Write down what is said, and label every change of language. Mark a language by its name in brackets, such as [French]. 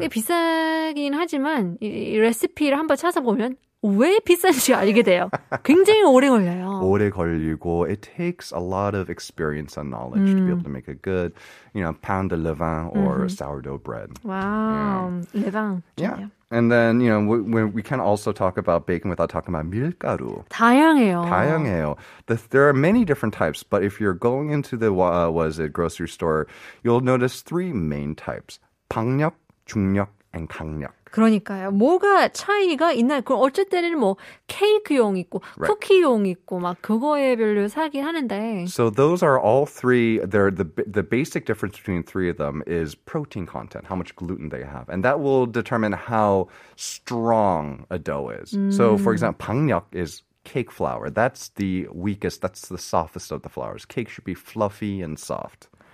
[Korean] 꽤 비싸긴 하지만 이 레시피를 한번 찾아보면 왜 비싼지 알게 돼요. 굉장히 오래 걸려요. 오래 걸리고 [English] it takes a lot of experience and knowledge to be able to make a good, you know, pain de levain or mm-hmm. sourdough bread. Wow. Yeah. Levain. Yeah. And then, you know, we can also talk about baking without talking about 밀가루. [Korean] 다양해요. [English] There are many different types, but if you're going into the grocery store, you'll notice three main types. [Korean] 박력, 중력, and 강력. 그러니까요. 뭐가 차이가 있나요? 그럼 어쨌든 뭐 케이크용 있고 [English] right. [Korean] 쿠키용 있고 막 그거에 별로 사긴 하는데. [English] So those are all three. They're the basic difference between three of them is protein content, how much gluten they have, and that will determine how strong a dough is. So for example, 박력 is cake flour. That's the weakest. That's the softest of the flours. Cake should be fluffy and soft.